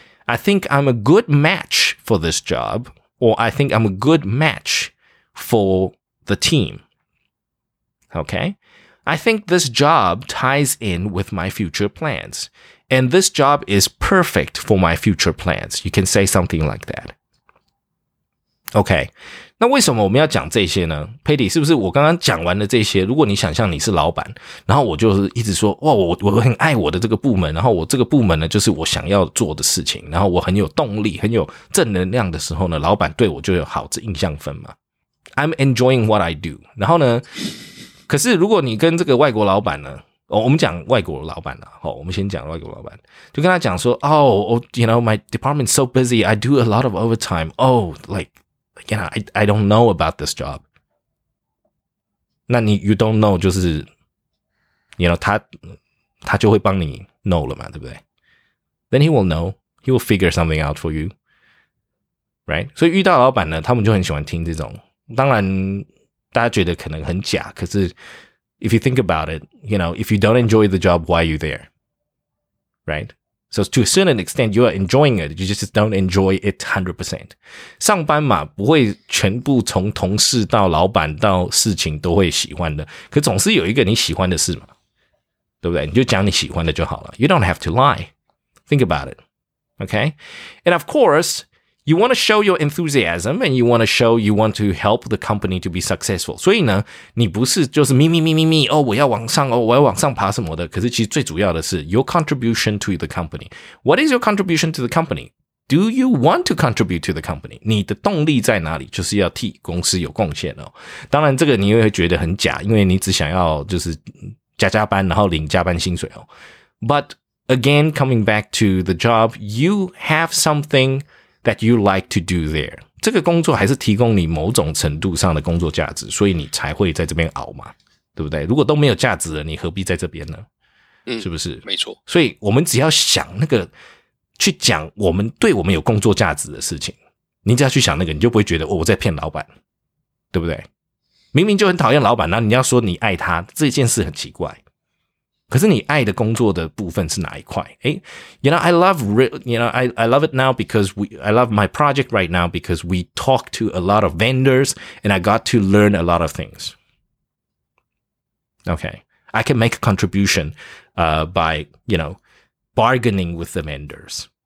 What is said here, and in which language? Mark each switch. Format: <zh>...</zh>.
<en>I think I'm a good match for this job. Or I think I'm a good match for the team. Okay? I think this job ties in with my future plans. And this job is perfect for my future plans. You can say something like that. Okay.</en> <zh>那为什么我们要讲这些呢 ?Patty, 是不是我刚刚讲完的这些如果你想象你是老板然后我就一直说哇 我很爱我的这个部门然后我这个部门呢就是我想要做的事情然后我很有动力很有正能量的时候呢老板对我就有好的印象分嘛。</zh> <en>I'm enjoying what I do.</en> <zh>然后呢可是如果你跟这个外国老板呢、哦、我们讲外国老板啦、哦、我们先讲外国老板就跟他讲说</zh> <en>Oh, you know, my department's so busy, I do a lot of overtime. Oh, like,You know, I don't know about this job.</en> <zh>那你</zh> <en>you don't know</en> <zh>就是</zh> <en>you know,</en> <zh>他就会帮你 know 了嘛对不对</zh> <en>Then he will know. He will figure something out for you. Right?</en> <zh>所以遇到老板呢他们就很喜欢听这种当然大家觉得可能很假可是</zh> <en>if you think about it, you know, if you don't enjoy the job, why are you there? Right? So to a certain extent, you are enjoying it. You just don't enjoy it 100%.</en> <zh>上班嘛，不会全部从同事到老板到事情都会喜欢的。可总是有一个你喜欢的事嘛，对不对？你就讲你喜欢的就好了。</zh> <en>You don't have to lie. Think about it. Okay? And of course, you want to show your enthusiasm and you want to show you want to help the company to be successful.</en> <zh>所以呢，你不是就是咪咪咪咪咪哦，我要往上哦，我要往上爬什么的。可是其实最主要的是</zh> <en>your contribution to the company. What is your contribution to the company? Do you want to contribute to the company?</en> <zh>你的动力在哪里？就是要替公司有贡献哦。当然这个你也会觉得很假，因为你只想要就是加加班，然后领加班薪水哦。</zh> <en>But again, coming back to the job, you have something that you like to do there.</en> <zh>这个工作还是提供你某种程度上的工作价值，所以你才会在这边熬嘛，对不对？如果都没有价值了，你何必在这边呢？嗯，是不是？没错。所以我们只要想那个去讲我们对我们有工作价值的事情，你只要去想那个，你就不会觉得、哦、我在骗老板，对不对？明明就很讨厌老板，那你要说你爱他，这件事很奇怪。可是你爱的工作的部分是哪一块？</zh> <en>诶 ，You know, I love you know, I love it now because we I love my project right now because we talk to a lot of vendors and I got to learn a lot of things. Okay, I can make a contribution, by you know, bargaining with the vendors.</en>